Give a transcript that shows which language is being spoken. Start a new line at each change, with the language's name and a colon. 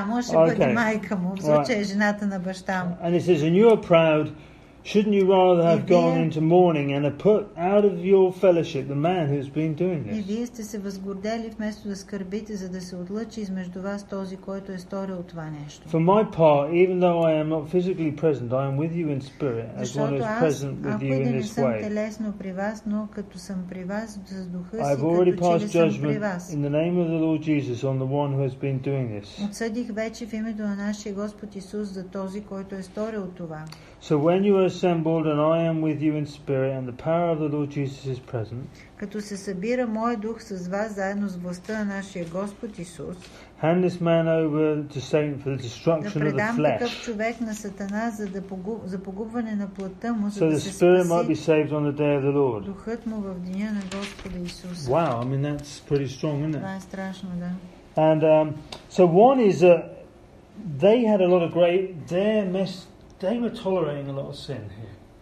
English: And it says, and you are proud. Shouldn't you rather have gone into mourning and have put out of your fellowship the man who's been doing this?
Bulgarian: И вие сте се възгордели вместо да скърбите, за да се отлъчи измежду вас този, който е сторил това нещо.
English: For my part, even though I am not physically present, I am with you in spirit, as one who is present with you in this way.
Bulgarian: Защото аз, ако и да не съм телесно при вас, но като съм при вас, с духа си,
English: I've already passed judgment
Bulgarian: при вас.
English: In the name of the Lord Jesus on the one who has been doing this.
Bulgarian: Отсъдих вече в името на нашия Господ Исус за този, който е сторил това.
English: So when you assembled and I am with you in spirit and the power of the Lord Jesus is present.
Bulgarian: Като се събира мой дух с вас заедно с властта на нашия Господ Исус.
English: Hand this man over to Satan for the destruction of the flesh.
Bulgarian: Да предам такъв човек на Сатана за погубване на плътта му,
English: so the spirit might be saved on the day of the Lord.
Bulgarian: Духът му в деня на Господа Исус.
English: Wow, I mean that's pretty strong, isn't it?
Bulgarian: Това е страшно, да.
English: And so one is that they had a lot of great their mess. They were tolerating a lot of sin here.